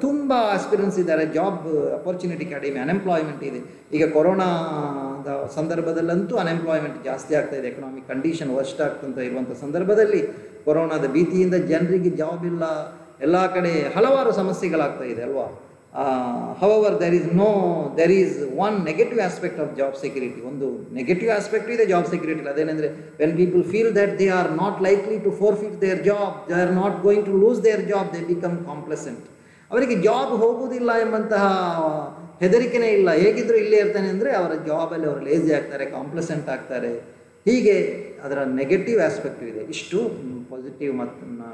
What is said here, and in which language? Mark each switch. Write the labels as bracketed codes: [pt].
[kn] ತುಂಬ ಆಸ್ಪಿರೆಂಟ್ಸ್ ಇದ್ದಾರೆ, job opportunity ಕಡಿಮೆ, ಅನ್ಎಂಪ್ಲಾಯ್ಮೆಂಟ್ ಇದೆ. ಈಗ ಕೊರೋನಾದ ಸಂದರ್ಭದಲ್ಲಂತೂ ಅನ್ಎಂಪ್ಲಾಯ್ಮೆಂಟ್ ಜಾಸ್ತಿ ಆಗ್ತಾ ಇದೆ, ಎಕನಾಮಿಕ್ ಕಂಡೀಷನ್ ವರ್ಸ್ಟ್ ಆಗ್ತಂಥ ಇರುವಂಥ ಸಂದರ್ಭದಲ್ಲಿ ಕೊರೋನಾದ ಭೀತಿಯಿಂದ ಜನರಿಗೆ ಜಾಬ್ ಇಲ್ಲ, ಎಲ್ಲ ಕಡೆ ಹಲವಾರು ಸಮಸ್ಯೆಗಳಾಗ್ತಾ ಇದೆ ಅಲ್ವಾ. [en] However, there is one negative aspect of job security. [kn] ಒಂದು ನೆಗೆಟಿವ್ ಆಸ್ಪೆಕ್ಟ್ ಇದೆ ಜಾಬ್ ಸೆಕ್ಯೂರಿಟಿ. ಅದೇನೆಂದರೆ, [en] When people feel that they are not likely to forfeit their job, they are not going to lose their job, they become complacent. [kn] ಅವರಿಗೆ job ಹೋಗುವುದಿಲ್ಲ ಎಂಬಂತಹ ಹೆದರಿಕೆನೇ ಇಲ್ಲ. ಹೇಗಿದ್ರು ಇಲ್ಲೇ ಇರ್ತಾನೆ ಅಂದರೆ ಅವರ ಜಾಬಲ್ಲಿ ಅವರು ಲೇಜಿ ಆಗ್ತಾರೆ, ಕಾಂಪ್ಲೆಸೆಂಟ್ ಆಗ್ತಾರೆ. ಹೀಗೆ ಅದರ ನೆಗೆಟಿವ್ ಆಸ್ಪೆಕ್ಟ್ ಇದೆ. ಇಷ್ಟು ಪಾಸಿಟಿವ್ ಮತ್ತು